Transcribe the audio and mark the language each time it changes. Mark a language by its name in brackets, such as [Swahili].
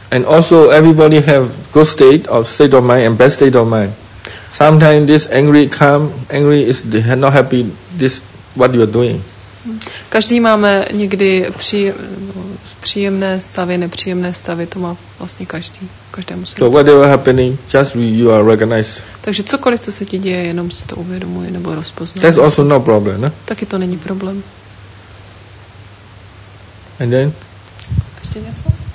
[English] And also everybody have good state of mind and bad state of mind. Sometimes this angry calm, angry is not happy, this what you are doing. [Czech] Každý máme někdy příjemné stavy, nepříjemné stavy, to má vlastně každý, každému se. [English] So whatever happening, just you are recognized. [Czech] Takže cokoliv, co se ti děje, jenom si to uvědomuje nebo rozpoznuje. [English] That's also no problem, ne? [Czech] Taky to není problém. [English] And then? [Czech] Ještě něco?